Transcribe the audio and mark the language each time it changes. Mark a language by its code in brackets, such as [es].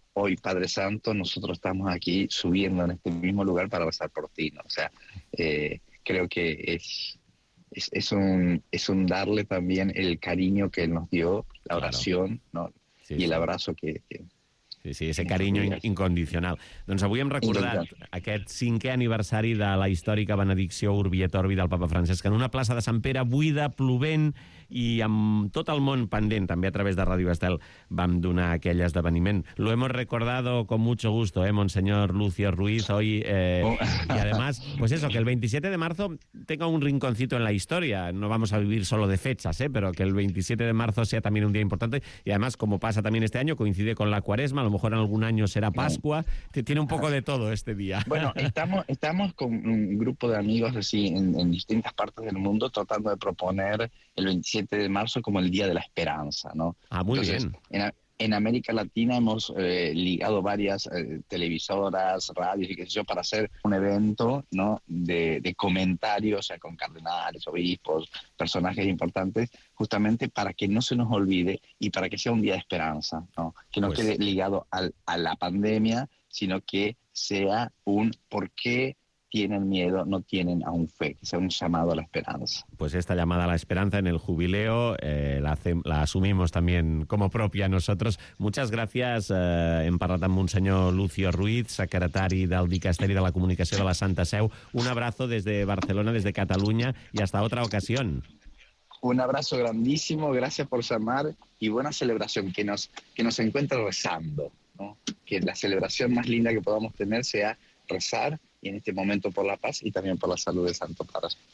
[es] Hoy, Padre Santo, nosotros estamos aquí subiendo en este mismo lugar para rezar por ti, ¿no? O sea, creo que es un darle también el cariño que Él nos dio, la oración, claro, ¿no? Sí, y el abrazo que... Sí, ese cariño incondicional. [ca] Doncs avui hem recordat aquest 5è aniversari de la històrica benedicció Urbi et Orbi del Papa Francesc en una plaça de Sant Pere buida, plovent i amb tot el món pendent. També a través de Ràdio Estel vam donar aquell esdeveniment. [es] Lo hemos recordado con mucho gusto, Monseñor Lucio Ruiz, hoy. Y además, pues eso, que el 27 de marzo tenga un rinconcito en la historia. No vamos a vivir solo de fechas, pero que el 27 de marzo sea también un día importante. Y además, como pasa también este año, coincide con la Cuaresma, a lo mejor en algún año será Pascua. Tiene un poco de todo este día. Bueno, estamos con un grupo de amigos así en distintas partes del mundo tratando de proponer el 27 de marzo como el Día de la Esperanza, ¿no? Ah, muy entonces, bien. En América Latina hemos ligado varias televisoras, radios y qué sé yo, para hacer un evento, ¿no? De comentarios, o sea, con cardenales, obispos, personajes importantes, justamente para que no se nos olvide y para que sea un día de esperanza, ¿no? Que no pues quede ligado a la pandemia, sino que sea un por qué tienen miedo, no tienen aún fe, que sea un llamado a la esperanza. Pues esta llamada a la esperanza en el jubileo la asumimos también como propia nosotros. Muchas gracias. [ca] Hem parlat amb Monsenyor Lucio Ruiz, secretari del Dicasteri de la Comunicació de la Santa Seu. [es] Un abrazo desde Barcelona, desde Cataluña, y hasta otra ocasión. Un abrazo grandísimo, gracias por llamar y buena celebración, que nos encuentre rezando, ¿no? Que la celebración más linda que podamos tener sea rezar y en este momento por la paz y también por la salud de Santo Padre.